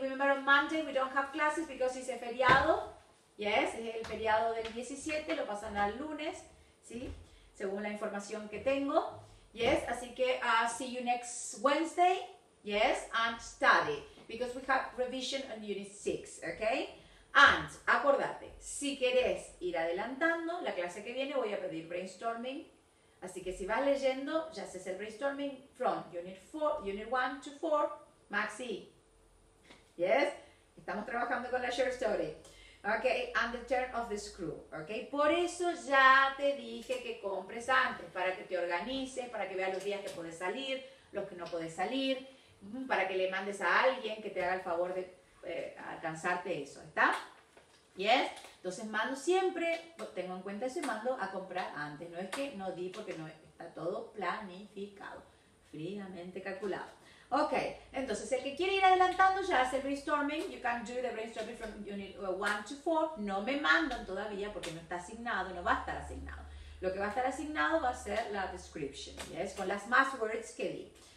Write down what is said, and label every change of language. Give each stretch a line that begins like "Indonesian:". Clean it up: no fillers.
English: Remember on Monday we don't have classes because it's a feriado.
Spanish: Yes, es el feriado del 17, lo pasan al lunes, ¿sí? Según la información que tengo.
English: Yes,
Spanish: así que
English: see you next Wednesday, yes, and study. Because we have revision on unit 6,
Spanish: okay? And, acordate, si querés ir adelantando, la clase que viene voy a pedir brainstorming. Así que si vas leyendo, ya haces el brainstorming
English: from unit 1 to 4,
Spanish: Maxi. Yes? Estamos trabajando con la short story. Okay, and the turn of the screw. Okay, por eso ya te dije que compres antes, para que te organices, para que veas los días que puedes salir, los que no puedes salir, para que le mandes a alguien que te haga el favor de alcanzarte eso, ¿está? Yes? Entonces mando siempre, tengo en cuenta ese mando a comprar antes. No es que no di porque no está todo planificado, fríamente calculado. Ok, entonces el que quiere ir adelantando ya hace el brainstorming.
English: You can do the brainstorming from unit 1 to 4.
Spanish: No me mandan todavía porque no está asignado, no va a estar asignado. Lo que va a estar asignado va a ser la description, yes, con las más words que di.